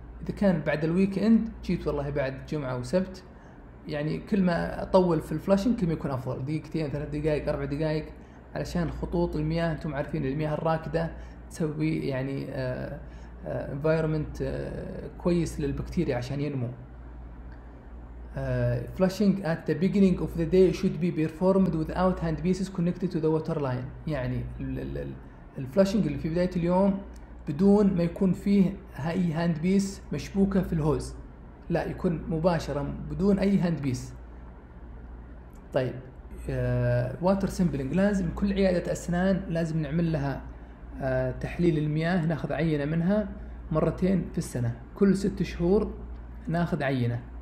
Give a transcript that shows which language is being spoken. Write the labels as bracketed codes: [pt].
[ar] اذا كان بعد الويك اند جيت والله بعد جمعه وسبت، يعني كل ما اطول في الفلاشنج كل ما يكون افضل، دقيقتين ثلاث دقائق اربع دقائق، علشان خطوط المياه انتم عارفين المياه الراكده تسوي يعني انفايرمنت كويس للبكتيريا عشان ينمو. [en] Flushing at the beginning of the day should be performed without handpieces connected to the water line. [ar] يعني الفلاشنج اللي في بداية اليوم بدون ما يكون فيه أي هاندبيس مشبوكة في الهوز، لا يكون مباشرة بدون أي هاندبيس. طيب water sampling، لازم كل عيادة أسنان لازم نعمل لها تحليل المياه، ناخذ عينة منها مرتين في السنة، كل ست شهور ناخذ عينة.